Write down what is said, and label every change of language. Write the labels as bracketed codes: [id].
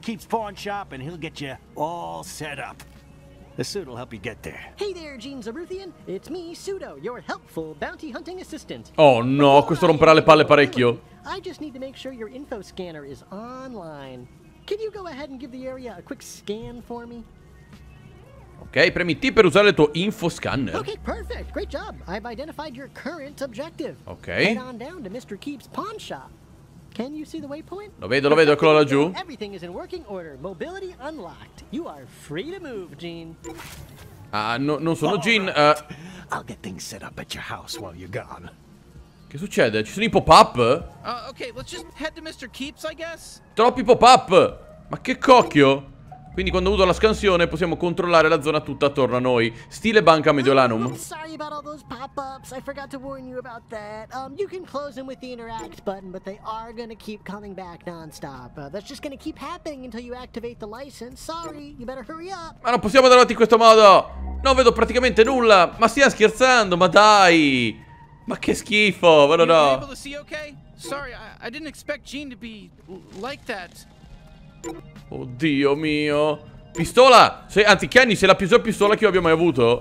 [en] Keep's pawn shop and he'll get you all set up. The suit will help you get there. Hey there, Gene Zaruthian. It's me, Sudo, your helpful bounty hunting assistant. [it] Oh no, questo romperà le palle parecchio. [en] I just need to make sure your info scanner is online. Can you go ahead and give the area a quick scan for me? [it] Ok, premi T per usare il tuo info scanner. [en] Ok, perfect. Great job. I've identified your current objective. Ok. Head on down to Mr. Keep's pawn shop. Can you see the waypoint? [it] Lo vedo, eccolo laggiù. [en] Everything is in working order. Mobility unlocked. You are free to move, Gene. [it] Ah, no, non sono Gene. [en] I'll get things set up at your house while you're gone. [it] Che succede? Ci sono i pop-up? [en] Ok, let's just head to Mr. Keep's, I guess. [it] Troppi pop-up! Ma che cocchio! Quindi quando uso la scansione possiamo controllare la zona tutta attorno a noi. Stile banca Mediolanum. [en] Sorry about all those pop-ups. I forgot to warn you about that. You can close them with the interact button, but they are gonna keep coming back non-stop. That's just gonna keep happening until you activate the license. Sorry, you better hurry up. [it] Ma non possiamo andare avanti in questo modo. Non vedo praticamente nulla. Ma stia scherzando, ma dai. Ma che schifo, ma no. [en] You able to see okay? Sorry, I didn't expect Gene to be like that. [it] Oddio mio. Pistola. Sei, anzi, Kenny, sei la peggior pistola che io abbia mai avuto.